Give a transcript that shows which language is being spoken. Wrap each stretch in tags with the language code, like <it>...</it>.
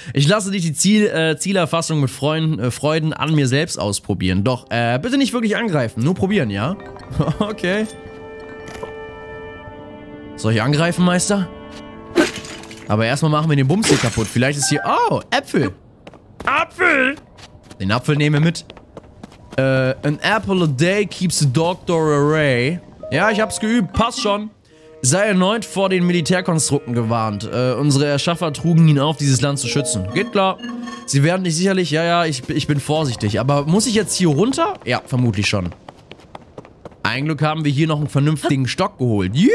<de>Ich lasse dich die Zielerfassung mit Freuden an mir selbst ausprobieren. Doch, bitte nicht wirklich angreifen, nur probieren, ja? Okay. Soll ich angreifen, Meister? Aber erstmal machen wir den Bums hier kaputt. Vielleicht ist hier... Oh, Äpfel. Apfel? Den Apfel nehmen wir mit.</de> <en>An apple a day keeps the doctor away.</en> <de>Ja, ich hab's geübt. Passt schon. Sei erneut vor den Militärkonstrukten gewarnt. Unsere Erschaffer trugen ihn auf, dieses Land zu schützen. Geht klar. Sie werden dich sicherlich... Ja, ja, ich bin vorsichtig. Aber muss ich jetzt hier runter? Ja, vermutlich schon. Ein Glück haben wir hier noch einen vernünftigen Stock geholt.</de>